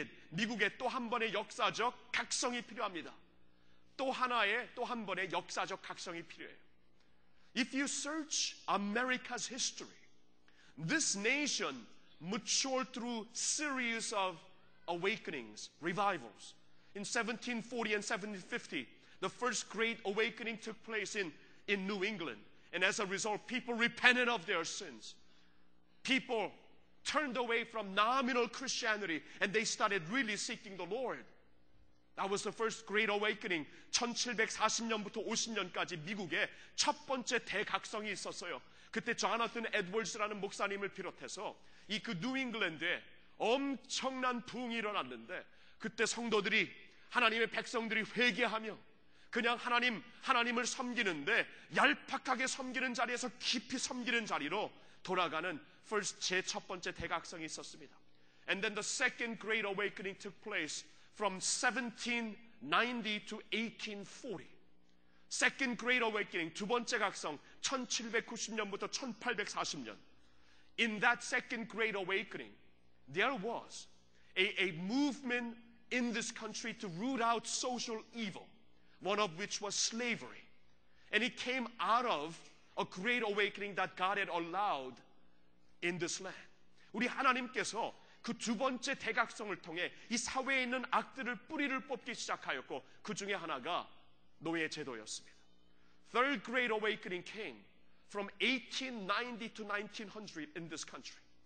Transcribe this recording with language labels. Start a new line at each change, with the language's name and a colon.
Korean: 미국에 또 한 번의 역사적 각성이 필요합니다. 또 한 번의 역사적 각성이 필요해요.
English: If you search America's history, this nation matured through series of awakenings, revivals. In 1740 and 1750, the first great awakening took place in New England. And as a result, people repented of their sins. People turned away from nominal Christianity and they started really seeking the Lord. That was the first great awakening.
Korean: 1740년부터 50년까지 미국에 첫 번째 대각성이 있었어요. 그때 조나탄 에드워즈라는 목사님을 비롯해서 이 그 뉴 잉글랜드에 엄청난 부흥이 일어났는데 그때 성도들이 하나님의 백성들이 회개하며 그냥 하나님을 섬기는데 얄팍하게 섬기는 자리에서 깊이 섬기는 자리로 돌아가는 제 첫 번째 대각성이 있었습니다.
English: And then the second great awakening took place from 1790 to 1840. Second great awakening,
Korean: 두 번째 각성, 1790년부터 1840년.
English: In that second great awakening, there was a movement in this country to root out social evil. One of which was slavery. And it came out of a great awakening that God had allowed in this land.
Korean: 우리 하나님께서 그 두 번째 대각성을 통해 이 사회에 있는 악들을 뿌리를 뽑기 시작하였고 그 중에 하나가 노예 제도였습니다.
English: Third great awakening came from 1890 to 1900 in this country.